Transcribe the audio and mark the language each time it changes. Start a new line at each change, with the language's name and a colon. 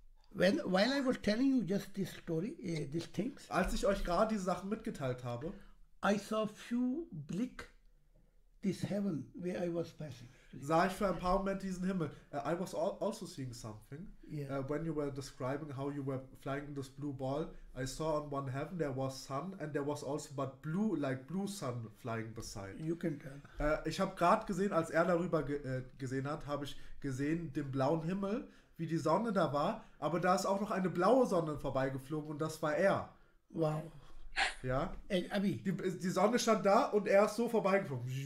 English: When, while I was telling you just this story, these things.
German: Als ich euch gerade diese Sachen mitgeteilt habe.
English: I saw few blick this heaven where I was passing.
German: Sah ich für ein paar Momente diesen Himmel.
English: I was also seeing something. Yeah. When you were describing how you were flying in this blue ball, I saw on one heaven there was sun and there was also but blue, like blue sun flying beside. You can tell.
German: Ich habe gerade gesehen, als er darüber gesehen hat, habe ich gesehen den blauen Himmel, wie die Sonne da war, aber da ist auch noch eine blaue Sonne vorbeigeflogen und das war er. Wow. Ja. Ey, Abi. Die Sonne stand da und er ist so vorbeigeflogen.